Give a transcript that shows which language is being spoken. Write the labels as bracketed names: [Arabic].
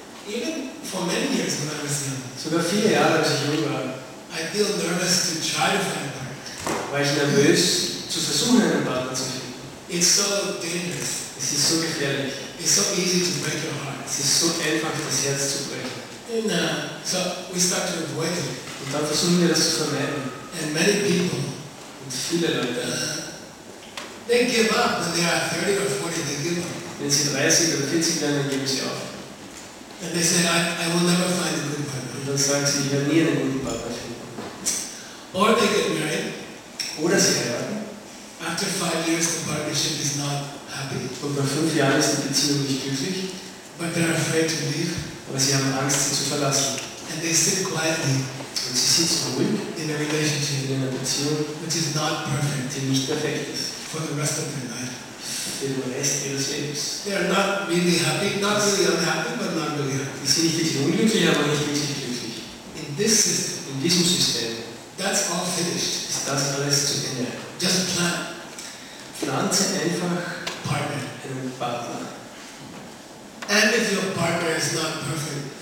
[English] Even for many years when I was young. [German] Sogar viele Jahre, als ich jung war. [English] I feel nervous to try to find a partner. [German] War ich nervös, zu versuchen, einen Partner zu finden. [English] It's so dangerous. [German] Es ist so gefährlich. [English] It's so easy to break your heart. [German] Es ist so einfach, das Herz zu brechen. [English] And so we start to avoid it. [German] Und dann versuchen wir, das zu vermeiden. [English] And many people. [German] Und viele Leute. [English] They give up when they are 30 or 40. They give up. [German] Wenn sie 30 oder 40 werden, dann geben sie auf. [English] And they say, I will never find a good partner. [German] Und dann sagen sie, ich werde nie einen guten Partner finden. [English] Or they get married. [German] Oder sie heiraten. [English] After 5 years, the partnership is not happy. [German] Und nach 5 Jahren ist die Beziehung nicht glücklich. [English] But they're afraid to leave. [German] Aber sie haben Angst, sie zu verlassen. [English] And they sit quietly. [German] Und sie sitzen ruhig. [English] In a relationship. [German] In einer Beziehung. [English] Which is not perfect. [German] Die nicht perfekt ist. [English] For the rest of their life. [German] für den Rest ihres Lebens. [English] They are not really happy, not really unhappy, but not really happy. [German] Sie sind nicht wirklich unglücklich, aber nicht wirklich glücklich. [English] In this system, [German] in diesem System, [English] that's all finished. [German] Ist das alles zu Ende. [English] Just plant. [German] Pflanze einfach [English] Partner. [German] Einen Partner. [English] And if your partner is not perfect,